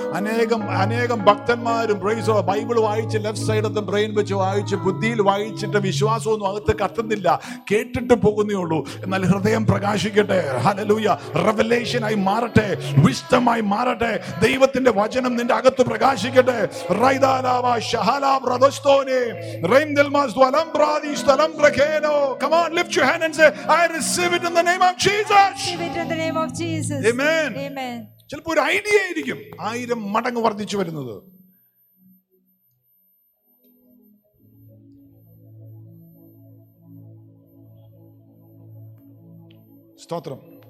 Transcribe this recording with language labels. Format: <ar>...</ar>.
<ml>അനേകം അനേകം ഭക്തന്മാരും</ml> <en>praise the Lord</en> <ml>Bible വായിച്ച്</ml> <en>left side of the brain</en> <ml>വെച്ച് വായിച്ച് ബുദ്ധിയിൽ വായിച്ചിട്ട് വിശ്വാസമൊന്നും അകത്ത് കത്തുന്നില്ല, കേട്ടിട്ട് പോകുന്നേയുള്ളൂ. എന്നാൽ ഹൃദയം പ്രകാശിക്കട്ടെ. ഹല്ലേലൂയ. റെവലേഷൻ ആയി മാറട്ടെ, വിസ്ഡം ആയി മാറട്ടെ. ദൈവത്തിന്റെ വചനം നിന്റെ അകത്ത് പ്രകാശിക്കട്ടെ. റൈദാലാവ ഷഹാലാ ബ്രദസ്തോനെ റൈംദൽമാസ് ദ്വലം പ്രാദീസ് ദലം പ്രഖേനോ.</ml> <en>Come on, lift your hand and say, I receive it in the name of Jesus. Amen.</en> <ml>ചിലപ്പോൾ ഒരു ഐഡിയ ആയിരിക്കും ആയിരം മടങ്ങ് വർദ്ധിച്ചു വരുന്നത്. സ്തോത്രം.</ml>